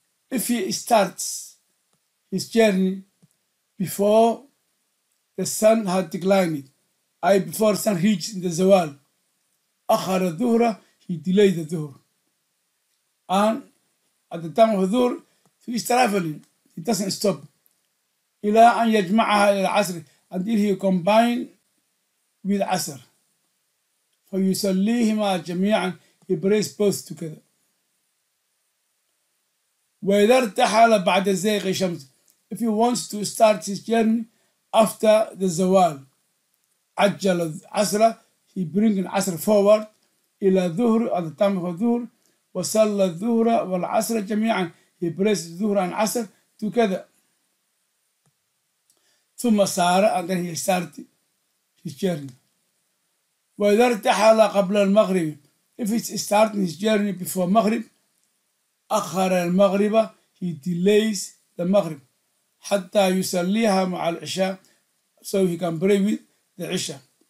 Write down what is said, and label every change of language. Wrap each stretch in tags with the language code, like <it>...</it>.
<en>If he starts his journey before the sun had declined, before sun reached the zawal,</en> <ar>أخر الظهر,</ar> <en>he delayed the dhuhr. And at the time of dhuhr, he is traveling. He doesn't stop.</en> <ar>إلى أن يجمعها إلى العصر,</ar> <en>until he combined with</en> <ar>عصر. فيصليهما جميعا,</ar> <en>he prays both together.</en> <ar>وإذا ارتحل بعد زيغ الشمس,</ar> <en>if he wants to start his journey after the zawal,</en> <ar>عجل عصر,</ar> <en>he bring العصر forward</en> <ar>إلى الظهر,</ar> <en>at the time of الظهر,</en> <ar>وصلى الظهر والعصر جميعا,</ar> <en>he prays الظهر and عصر together.</en> <ar>ثم صار,</ar> <en>and then he start his journey.</en> <ar>وإذا ارتحل قبل المغرب,</ar> <en>if he's starting his journey before المغرب,</en> <ar>أخر المغرب,</ar> <en>he delays the مغرب</en> <ar>حتى يسليها مع العشاء,</ar> <en>so he can pray with the عشاء.</en>